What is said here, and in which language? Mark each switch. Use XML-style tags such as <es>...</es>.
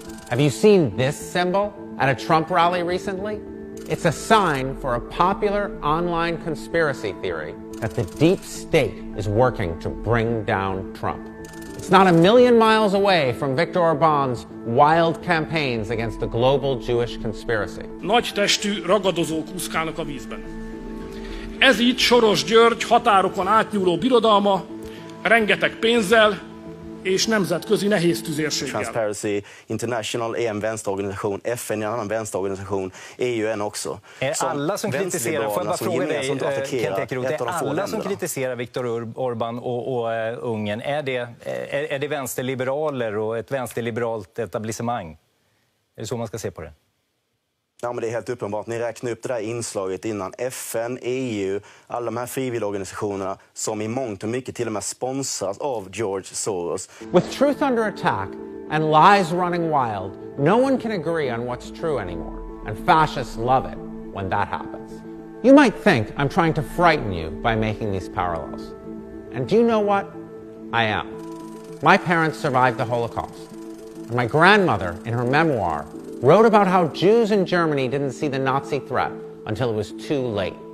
<en>Have you seen this symbol at a Trump rally recently? It's a sign for a popular online conspiracy theory that the deep state is working to bring down Trump. It's not a million miles away from Viktor Orban's wild campaigns against the global Jewish conspiracy.</en> <hu>Nagy testű ragadozó kúszkálnak a vízben. Ez itt Soros György határokon átnyúló birodalma, rengeteg pénzzel, és nemzetközi nehéz tüzérséggel.</hu> <sv>Transparency International är en vänsterorganisation, FN är en annan vänsterorganisation, EU är en också. Alla som kritiserar, får jag bara fråga dig, Kent Ekeroth, det är alla länderna som kritiserar Viktor Orbán och Ungern. Är det vänsterliberaler och ett vänsterliberalt etablissemang? Är det så man ska se på det? Ja, men det är helt uppenbart. Ni räknade upp det där inslaget innan. FN, EU, alla de här frivilligorganisationerna som i mångt och mycket till och med sponsras av George Soros.</sv> <en>With truth under attack and lies running wild, no one can agree on what's true anymore. And fascists love it. when that happens. You might think I'm trying to frighten you by making these parallels. And do you know what? I am. My parents survived the Holocaust. And my grandmother, in her memoir, wrote about how Jews in Germany didn't see the Nazi threat until it was too late.</en>